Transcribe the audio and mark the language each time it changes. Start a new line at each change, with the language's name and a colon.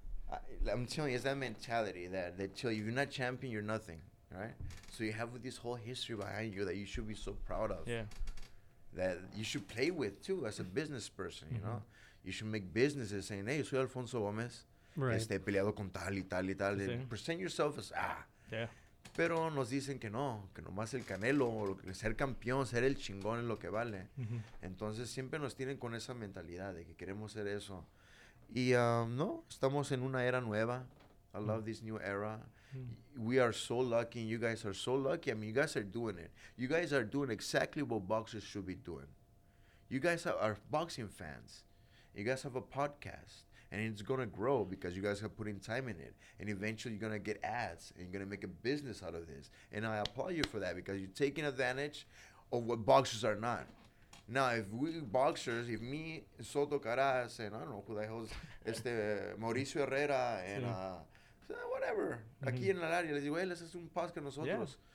English: I thought it was, I'm telling you, it's that mentality that they tell you, if you're not champion, you're nothing. Right, so you have this whole history behind you that you should be so proud of. Yeah, that you should play with too as a business person. You know, you should make businesses saying, "Hey,
Spanish: soy Alfonso Gómez.
English: Right.
Spanish: He peleado con tal y tal y tal." Sí.
English: Present yourself as
Spanish: Pero nos dicen que nomás el Canelo, ser campeón, ser el chingón es lo que vale. Entonces siempre nos tienen con esa mentalidad de que queremos ser eso. Y no, estamos en una era nueva.
English: I love this new era. We are so lucky, and you guys are so lucky. I mean, you guys are doing it. You guys are doing exactly what boxers should be doing. You guys are boxing fans. You guys have a podcast, and it's going to grow because you guys are putting time in it. And eventually, you're going to get ads, and you're going to make a business out of this. And I applaud you for that because you're taking advantage of what boxers are not. Now, if we boxers, if me, Soto Caraz, and I don't know who the hell is, Mauricio Herrera, and... whatever.
Spanish: Aquí en el área les digo, les hace un pas que nosotros.